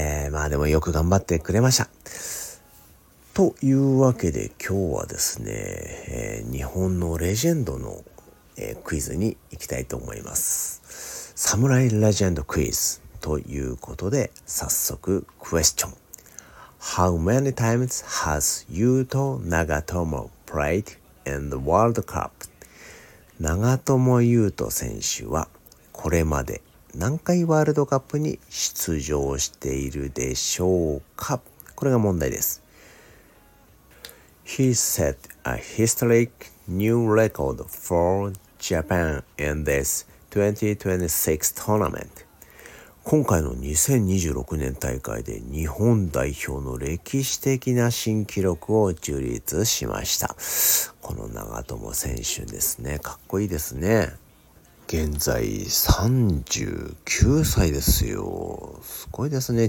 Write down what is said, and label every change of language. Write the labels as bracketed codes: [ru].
[ja] まあでもよく頑張ってくれました。というわけで今日はですね、日本のレジェンドの、クイズに行きたいと思います。サムライレジェンドクイズ。ということで早速クエスチョン。 [en] How many times has Yuto Nagatomo played in the World Cup? [ja] 長友佑都選手はこれまで何回ワールドカップに出場しているでしょうか。これが問題です。 [en] He set a historic new record for Japan in this 2026 tournament. [ja] 今回の2026年大会で日本代表の歴史的な新記録を樹立しました。この長友選手ですね。かっこいいですね。現在39歳ですよ。すごいですね。